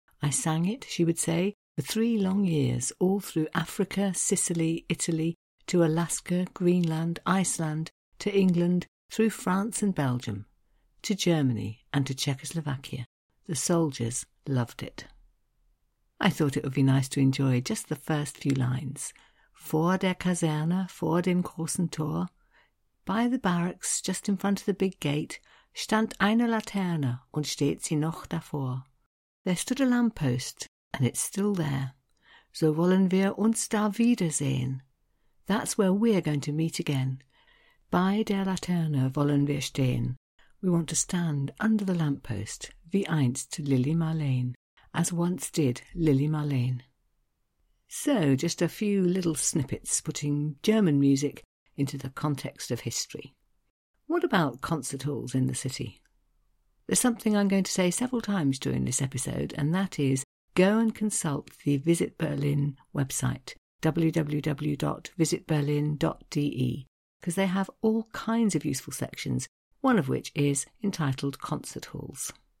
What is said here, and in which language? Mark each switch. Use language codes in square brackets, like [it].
[en] I sang it, she would say, for 3 long years, all through Africa, Sicily, Italy, to Alaska, Greenland, Iceland, to England, through France and Belgium, to Germany and to Czechoslovakia. The soldiers loved it. I thought it would be nice to enjoy just the first few lines. [de] vor der Kaserne, vor dem großen Tor, [en] by the barracks, just in front of the big gate, [de] stand eine Laterne, und steht sie noch davor. [en] There stood a lamppost, and it's still there. [de] So wollen wir uns da wiedersehen. [en] That's where we're going to meet again. [de] By der Laterne wollen wir stehen. [en] We want to stand under the lamppost, [de] wie einst Lilli Marleen, [en] as once did Lilli Marleen. So, just a few little snippets putting German music into the context of history. What about concert halls in the city? There's something I'm going to say several times during this episode, and that is go and consult the Visit Berlin website, www.visitberlin.de, because they have all kinds of useful sections, one of which is entitled Concert Halls.